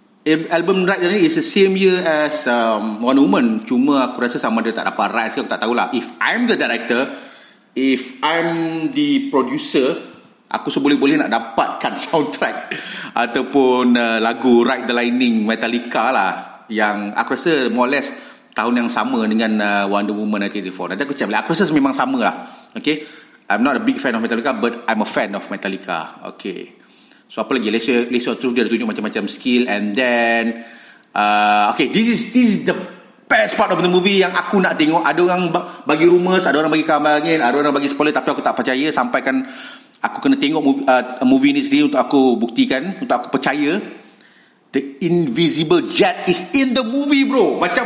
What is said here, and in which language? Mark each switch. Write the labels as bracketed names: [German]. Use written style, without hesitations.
[English] Album Ride ni is the same year as Wonder Woman. [Malay] Cuma aku rasa sama dia tak dapat rights ke, aku tak tahulah. [English] If I'm the director, if I'm the producer, [Malay] aku seboleh-boleh nak dapatkan soundtrack ataupun lagu Ride the Lightning Metallica lah, yang aku rasa [English] more or less [Malay] tahun yang sama dengan Wonder Woman 1984. Nanti aku cakap lah, aku rasa memang sama lah. [English] Okay, I'm not a big fan of Metallica, but I'm a fan of Metallica. [Malay] Okay, so apa lagi, Lasso of Truth dia ada tunjuk macam-macam skill. [English] And then okay, this is the best part of the movie [Malay] yang aku nak tengok. Ada orang bagi rumours, ada orang bagi kabar angin, ada orang bagi spoiler, tapi aku tak percaya. Sampaikan aku kena tengok movie ni sendiri untuk aku buktikan, untuk aku percaya. [English] The invisible jet is in the movie, bro.